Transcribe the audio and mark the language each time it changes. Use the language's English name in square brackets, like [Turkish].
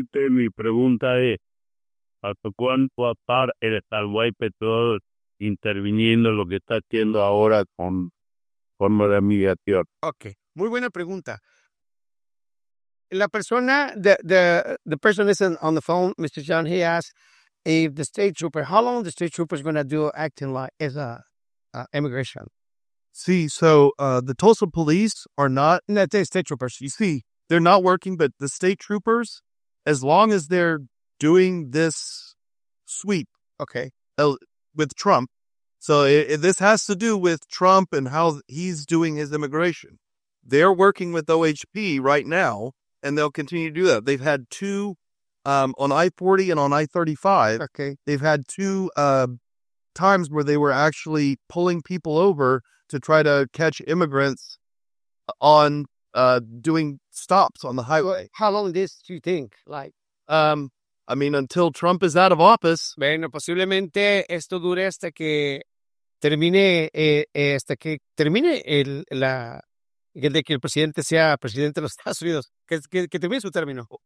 [Spanish] mi pregunta es... ¿Hasta cuándo va a estar el Estado Petrol interviniendo lo que está haciendo ahora con la migración? Ok, muy buena pregunta. La persona, [English] the person is on the phone, Mr. John, he asked if the state trooper, how long the state trooper is going to do acting like as a immigration? Sí, so the Tulsa police are not... No, they're state troopers. You see, they're not working, but the state troopers, as long as they're... doing this sweep, Okay. With Trump. So this has to do with Trump and how he's doing his immigration. They're working with OHP right now, and they'll continue to do that. They've had two on I-40 and on I-35. Okay. They've had two times where they were actually pulling people over to try to catch immigrants on doing stops on the highway. So how long this do you think? Like, I mean, until Trump is out of office. [Spanish] Bueno, posiblemente esto dure hasta que termine de que el presidente sea presidente de los Estados Unidos, que termine su término.